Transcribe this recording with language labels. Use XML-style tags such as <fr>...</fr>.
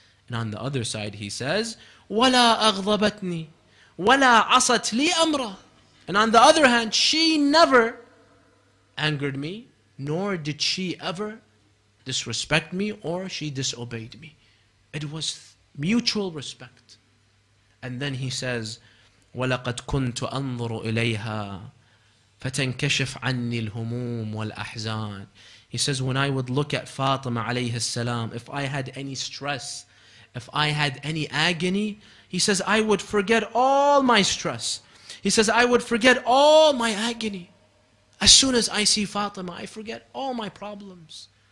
<en>And on the other side, he says,</en> <ar>وَلَا أَغْضَبَتْنِي وَلَا عَصَتْ لِي أَمْرًا.</ar> <en>And on the other hand, she never angered me, nor did she ever disrespect me or she disobeyed me. It was mutual respect. And then he says,</en> <ar>وَلَقَدْ كُنْتُ أَنظُرُ إِلَيْهَا فَتَنْكَشِفْ عَنِّي الْهُمُومُ وَالْأَحْزَانِ.</ar> <en>He says, when I would look at Fatima alayhi salam, if I had any stress, if I had any agony, he says, I would forget all my stress. He says, I would forget all my agony. As soon as I see Fatima, I forget all my problems.</en>